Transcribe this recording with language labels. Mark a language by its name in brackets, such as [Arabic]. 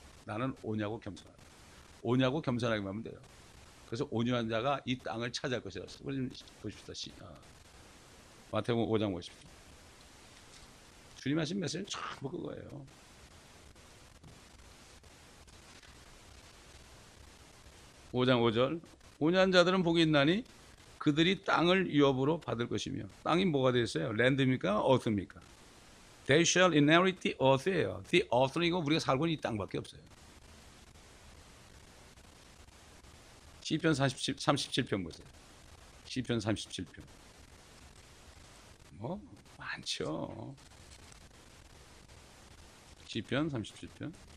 [Korean] 나는 온유하고 겸손하다. 온유하고 겸손하게 하면 돼요. 그래서 온유한 자가 이 땅을 차지할 것이라고 보십시다. 마태복음 5장 50. 주님 하신 메시지는 전부 그거예요. 5장 5절. 온유한 자들은 복이 있나니 그들이 땅을 유업으로 받을 것이며. 땅이 뭐가 되어 있어요? 랜드입니까? 어스입니까? [English] They shall inherit the earth예요. [Korean] The earth는 이거 우리가 살고 있는 이 땅밖에 없어요. 시편 37편 보세요. 시편 37편. 뭐 많죠. 시편 37편.